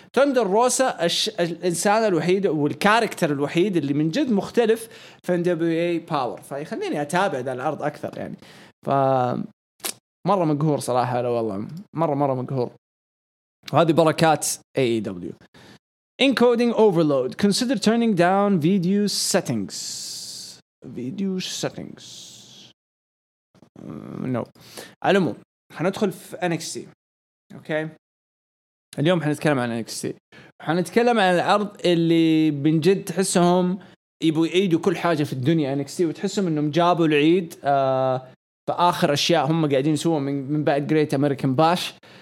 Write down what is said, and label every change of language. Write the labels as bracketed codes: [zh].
[ar] ثاندر روسا الانسان الوحيد والكاركتر الوحيد اللي من جد مختلف في NWA باور، فيخليني اتابع ذا العرض اكثر يعني. ف مره مقهور صراحه، لا والله مره مقهور. وهذه بركات AEW. [en] Encoding overload. Consider turning down video settings. Video settings. No. [ar] على العموم حندخل في NXT. [en] Okay. [ar] اليوم حنتكلم عن NXT. حنتكلم عن العرض اللي بنجد تحسهم يبوا يعيدوا كل حاجة في الدنيا NXT، وتحسهم إنهم جابوا العيد في آخر أشياء هم قاعدين يسووا من بعد Great American Bash.